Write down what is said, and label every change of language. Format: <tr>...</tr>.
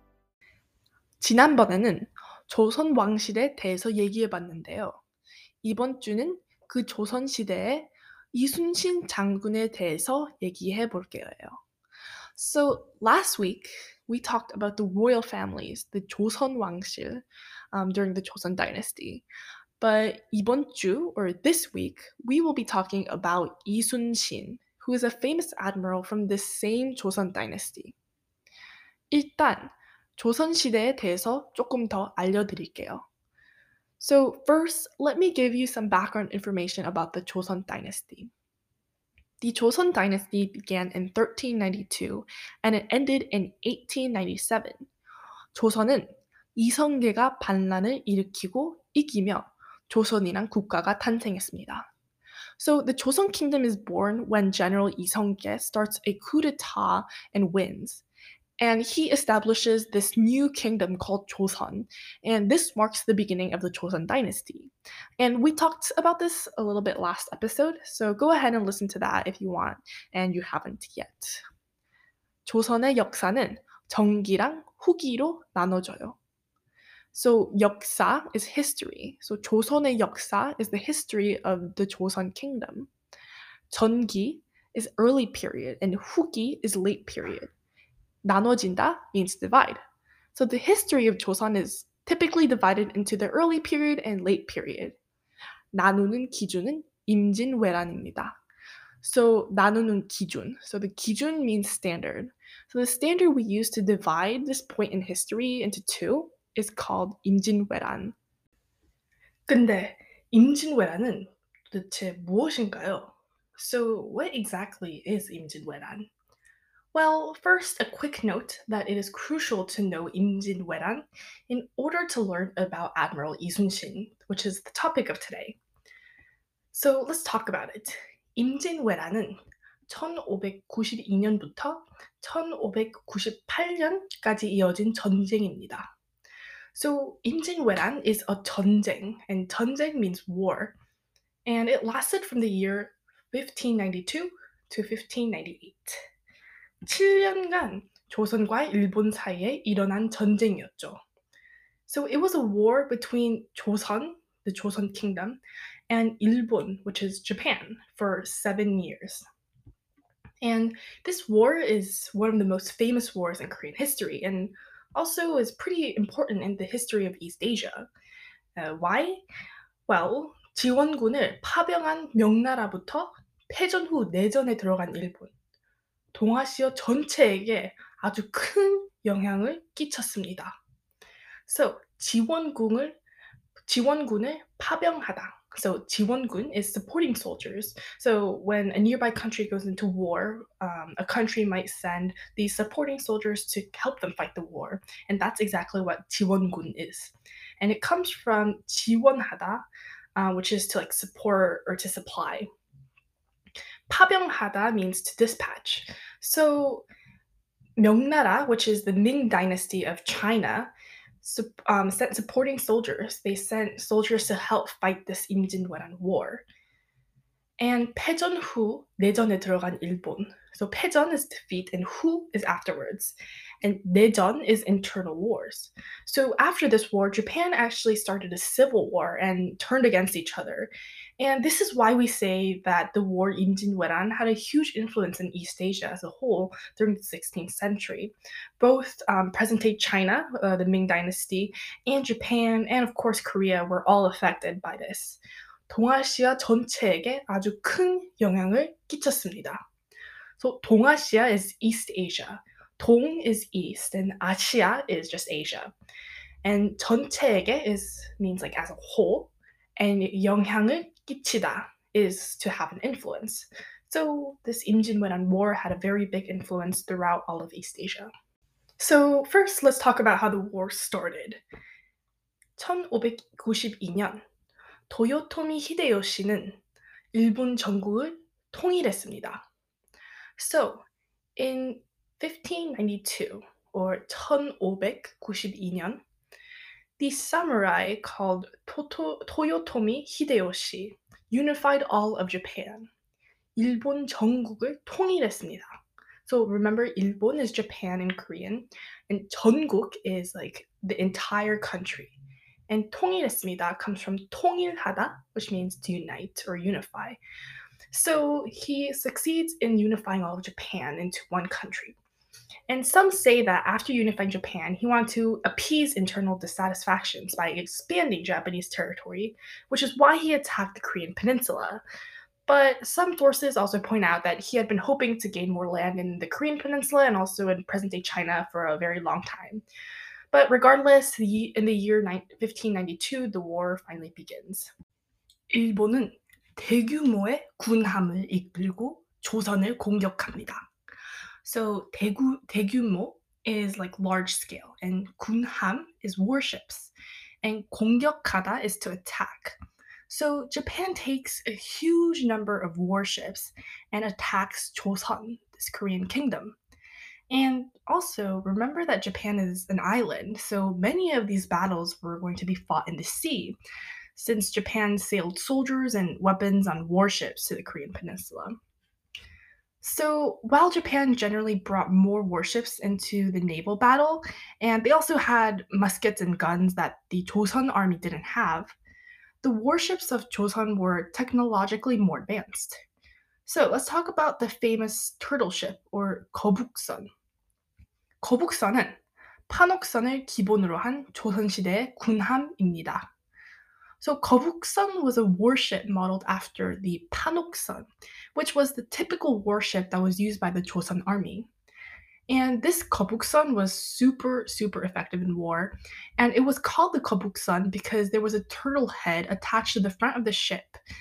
<ko>(목소리) 지난번에는 조선 왕실에 대해서 얘기해 봤는데요. 이번 주는 그 조선 시대에 이순신 장군에 대해서 얘기해 볼게요.</ko> <en>So last week, we talked about the royal families, the Joseon 왕실, during the Joseon Dynasty. But</en> <ko>이번 주,</ko> <en>or this week, we will be talking about 이순신, who is a famous admiral from the same Joseon Dynasty.</en> <ko>일단, 조선 시대에 대해서 조금 더 알려드릴게요.</ko> <en>So first, let me give you some background information about the Joseon Dynasty. The Joseon Dynasty began in 1392 and it ended in 1897.</en> <ko>조선은 이성계가 반란을 일으키고 이기며 조선이란 국가가 탄생했습니다.</ko> <en>So the Joseon Kingdom is born when General 이성계 starts a coup d'etat and wins. And he establishes this new kingdom called Joseon. And this marks the beginning of the Joseon Dynasty. And we talked about this a little bit last episode, so go ahead and listen to that if you want, and you haven't yet.</en> <ko>조선의 역사는 전기랑 후기로 나눠져요.</ko> <en>So 역사 is history. So</en> <ko>조선의 역사</ko> <en>is the history of the Joseon Kingdom. 전기 is early period, and 후기 is late period. 나눠진다 means divide. So the history of Joseon is typically divided into the early period and late period.</en> <ko>나누는 기준은 임진왜란입니다.</ko> <en>So</en> <ko>나누는 기준.</ko> <en>So the 기준 means standard. So the standard we use to divide this point in history into two is called 임진왜란.</en> <ko>근데 임진왜란은 도대체 무엇인가요?</ko> <en>So what exactly is 임진왜란? Well, first, a quick note that it is crucial to know 임진왜란 in order to learn about Admiral 이순신, which is the topic of today. So let's talk about it.</en> <ko>임진왜란은 1592년부터 1598년까지 이어진 전쟁입니다.</ko> <en>So 임진왜란 is a 전쟁, and 전쟁 means war, and it lasted from the year 1592 to 1598.</en> <ko>7년간 조선과 일본 사이에 일어난 전쟁이었죠.</ko> <en>So it was a war between Joseon, the Joseon Kingdom, and 일본, which is Japan, for 7 years. And this war is one of the most famous wars in Korean history, and also is pretty important in the history of East Asia. Why?</en> <ko>Well, 지원군을 파병한 명나라부터 패전 후 내전에 들어간 일본. 동아시아 전체에게 아주 큰 영향을 끼쳤습니다. So, 지원군을 파병하다.</ko> <en>So, 지원군 is supporting soldiers. So, when a nearby country goes into war, a country might send these supporting soldiers to help them fight the war. And that's exactly what 지원군 is. And it comes from 지원하다, which is to like support or to supply. 파병하다 means to dispatch. So, 명나라, which is the Ming Dynasty of China, sent supporting soldiers. They sent soldiers to help fight this 임진왜란 war. And</en> <ko>패전 후 내전에 들어간 일본.</ko> <en>So 패전 is defeat and 후 is afterwards. And 내전 is internal wars. So after this war, Japan actually started a civil war and turned against each other. And this is why we say that the war Imjin Weran had a huge influence in East Asia as a whole during the 16th century. Both present-day China, the Ming Dynasty, and Japan, and of course Korea, were all affected by this.</en> <ko>동아시아 전체에게 아주 큰 영향을 끼쳤습니다.</ko> <en>So 동아시아 is East Asia. 동 is East, and 아시아 is just Asia. And 전체에게 is means like as a whole, and</en> <ko>영향을 끼치다</ko> <en>is to have an influence. So this Imjin Weran war had a very big influence throughout all of East Asia. So first, let's talk about how the war started.</en> <ko>1592년, 도요토미 히데요시는 일본 전국을 통일했습니다.</ko> <en>So, in 1592, or 1592년, the samurai called Toyotomi Hideyoshi unified all of Japan.</en> <ko>일본 전국을 통일했습니다.</ko> <en>So remember, 일본 is Japan in Korean, and 전국 is like the entire country. And 통일했습니다 comes from 통일하다, which means to unite or unify. So he succeeds in unifying all of Japan into one country. And some say that after unifying Japan, he wanted to appease internal dissatisfactions by expanding Japanese territory, which is why he attacked the Korean Peninsula. But some sources also point out that he had been hoping to gain more land in the Korean Peninsula and also in present-day China for a very long time. But regardless, in the year 1592, the war finally begins.</en> <ko>일본은 대규모의 군함을 이끌고 조선을 공격합니다.</ko> <en>So 대규모 is like large scale, and 군함 is warships, and 공격하다 is to attack. So Japan takes a huge number of warships and attacks 조선, this Korean kingdom. And also, remember that Japan is an island, so many of these battles were going to be fought in the sea, since Japan sailed soldiers and weapons on warships to the Korean Peninsula. So while Japan generally brought more warships into the naval battle, and they also had muskets and guns that the Joseon army didn't have, the warships of Joseon were technologically more advanced. So let's talk about the famous turtle ship, or 거북선.</en> <ko>거북선은 판옥선을 기본으로 한 조선시대의 군함입니다.</ko> <en>So 거북선 was a warship modeled after the 판옥선, which was the typical warship that was used by the Joseon army. And this 거북선 was super, super effective in war. And it was called the 거북선 because there was a turtle head attached to the front of the ship.</en>